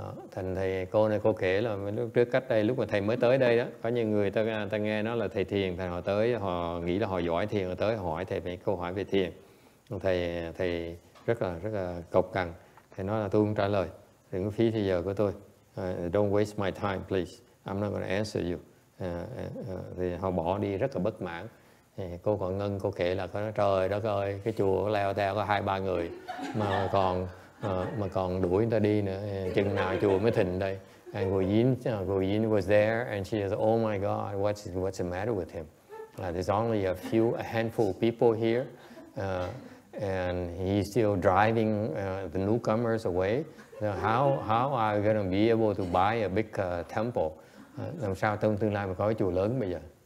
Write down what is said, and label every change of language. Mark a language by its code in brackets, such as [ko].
[vi] Thành thầy cô này cô kể là lúc trước cách đây lúc mà thầy mới tới đây đó, có những người ta nghe nói là thầy thiền, thầy họ tới, họ nghĩ là họ giỏi thiền, họ tới hỏi thầy mấy câu hỏi về thiền. Thầy rất là cộc cằn, thầy nói là tôi không trả lời, đừng có phí thời giờ của tôi. [en] Don't waste my time please, I'm not gonna answer you. [vi] Thì họ bỏ đi rất là bất mãn. Cô còn Ngân cô kể là có nói, trời đất ơi, cái chùa leo theo có 2-3 người mà còn đuổi người ta đi nữa, chừng nào chùa mới thịnh đây. [en] And Guo Yin was there and she said, oh my god, what's the matter with him? There's only a handful of people here and he's still driving the newcomers away. So how are we going to be able to buy a big temple? [vi] Làm sao trong tương lai mà có cái chùa lớn bây giờ?